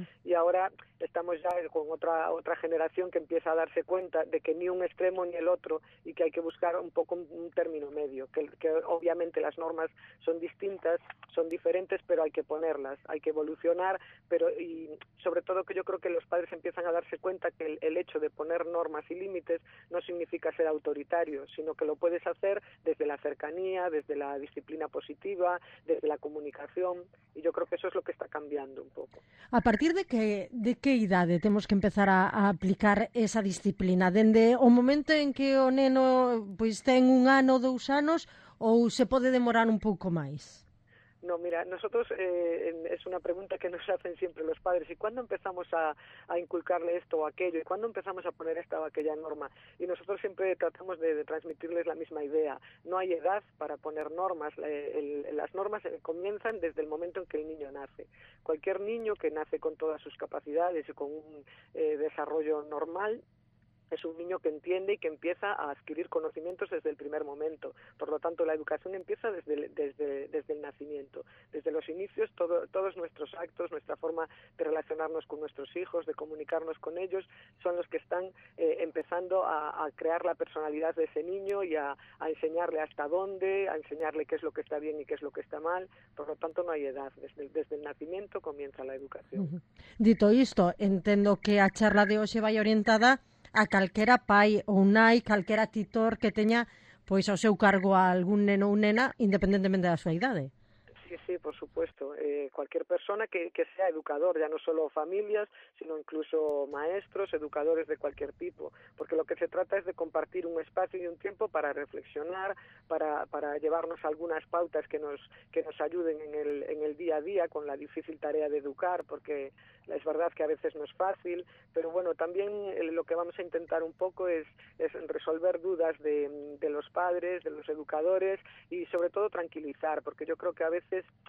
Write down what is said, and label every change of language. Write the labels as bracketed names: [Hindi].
[Spanish] Y ahora estamos ya con otra generación que empieza a darse cuenta de que ni un extremo ni el otro, y que hay que buscar un poco un término medio, que obviamente las normas son distintas, son diferentes, pero hay que ponerlas, hay que evolucionar, y sobre todo que yo creo que los padres empiezan a darse cuenta que el hecho de poner normas y límites no significa ser autoritario, sino que lo puedes hacer desde la cercanía, desde la disciplina positiva, desde la comunicación, y yo creo que eso es lo que está cambiando un poco. [Galician] ¿A partir de qué idade temos que empezar a aplicar esa disciplina? ¿Dende o momento en que o neno pues ten un ano, dous anos, ou se pode demorar un pouco máis? [Spanish] No, mira, nosotros, es una pregunta que nos hacen siempre los padres, ¿y cuándo empezamos a inculcarle esto o aquello? ¿Y cuándo empezamos a poner esta o aquella norma? Y nosotros siempre tratamos de transmitirles la misma idea. No hay edad para poner normas. Las normas comienzan desde el momento en que el niño nace. Cualquier niño que nace con todas sus capacidades y con un desarrollo normal, es un niño que entiende y que empieza a adquirir conocimientos desde el primer momento. Por lo tanto, la educación empieza desde el nacimiento. Desde los inicios, todos nuestros actos, nuestra forma de relacionarnos con nuestros hijos, de comunicarnos con ellos, son los que están empezando a crear la personalidad de ese niño y a enseñarle hasta dónde, a enseñarle qué es lo que está bien y qué es lo que está mal. Por lo tanto, no hay edad. Desde el nacimiento comienza la educación. [Galician] Dito isto, entendo que a charla de hoxe vai orientada a calquera pai ou nai, calquera titor que teña pois ao seu cargo a algún neno ou nena, independentemente da súa idade. [Spanish] Sí, por supuesto. Cualquier persona que sea educador, ya no solo familias, sino incluso maestros, educadores de cualquier tipo, porque lo que se trata es de compartir un espacio y un tiempo para reflexionar, para llevarnos algunas pautas que nos ayuden en el día a día con la difícil tarea de educar, porque es verdad que a veces no es fácil, pero bueno, también lo que vamos a intentar un poco es resolver dudas de los padres, de los educadores y sobre todo tranquilizar, porque yo creo que a veces